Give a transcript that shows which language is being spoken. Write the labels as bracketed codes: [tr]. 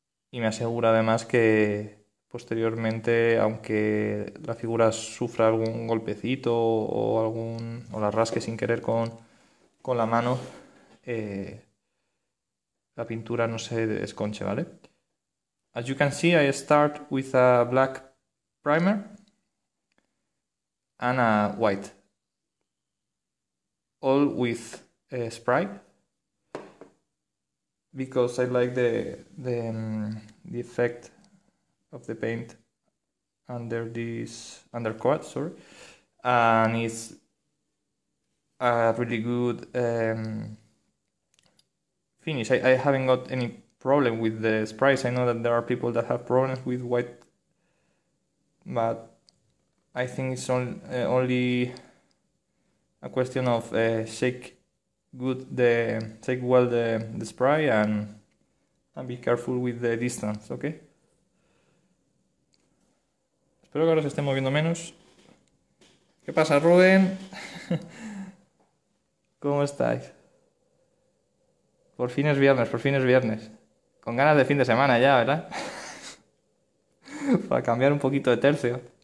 [es] Y me asegura además que posteriormente, aunque la figura sufra algún golpecito o la rasque sin querer con la mano, la pintura no se desconche, ¿vale? [en] As you can see, I start with a black primer and a white. All with spray. Because I like the effect of the paint under this undercoat, sorry, and it's a really good finish. I haven't got any problem with the sprays. I know that there are people that have problems with white, but I think it's only a question of shake well the spray and be careful with the distance, okay? [es] Espero que ahora se esté moviendo menos. ¿Qué pasa, Rubén? ¿Cómo estáis? Por fin es viernes, por fin es viernes. Con ganas de fin de semana ya, ¿verdad? Para cambiar un poquito de tercio.